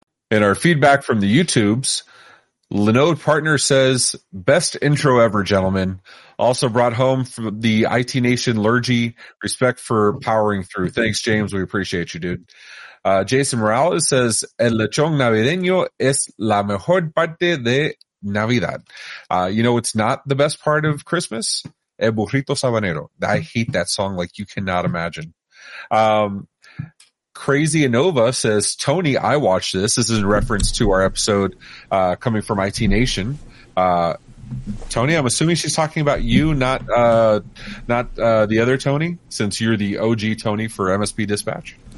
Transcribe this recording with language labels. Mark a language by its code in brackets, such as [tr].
[en] In our feedback from the YouTubes, Linode Partner says, best intro ever, gentlemen. Also brought home from the IT Nation Lurgy, respect for powering through. Thanks, James. We appreciate you, dude. [es] Jason Morales says, el lechón navideño es la mejor parte de Navidad. [en] You know, it's not the best part of Christmas. [es] El burrito sabanero. [en] I hate that song like you cannot imagine. Crazy Innova says, Tony, I watched this. This is in reference to our episode coming from IT Nation. Tony, I'm assuming she's talking about you, not the other Tony, since you're the OG Tony for MSP Dispatch.